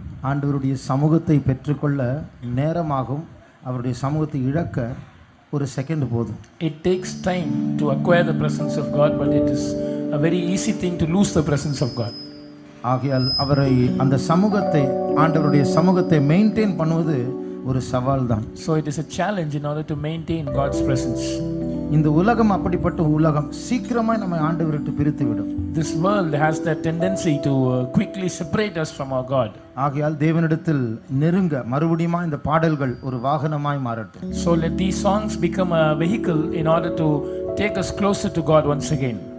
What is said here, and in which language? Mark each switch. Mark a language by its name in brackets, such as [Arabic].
[Tamil] ஆண்டவருடைய சமூகத்தை பெற்றுக்கொள்ள நேரமாகும், அவருடைய சமூகத்தை இழக்க ஒரு செகண்ட் போதும். [English] It takes time to acquire the presence of God, but it is a very easy thing to lose the presence of God. [Tamil] ஆகையால் அவரை அந்த சமூகத்தை ஆண்டவருடைய சமூகத்தை மெயின்டெய்ன் பண்ணுவது ஒரு சவால் தான். [English] So it is a challenge in order to maintain God's presence. [Tamil] இந்த உலகம் அப்படிப்பட்ட உலகம், சீக்கிரமாய் நம்மை ஆண்டவரை விட்டு பிரித்து விடும். [English] This world has that tendency to quickly separate us from our God. [Tamil] ஆகையால் தேவனிடத்தில் நெருங்க மறுபடியும் இந்த பாடல்கள் ஒரு வாகனமாய் மாறட்டும். [English] So let these songs become a vehicle in order to take us closer to God once again.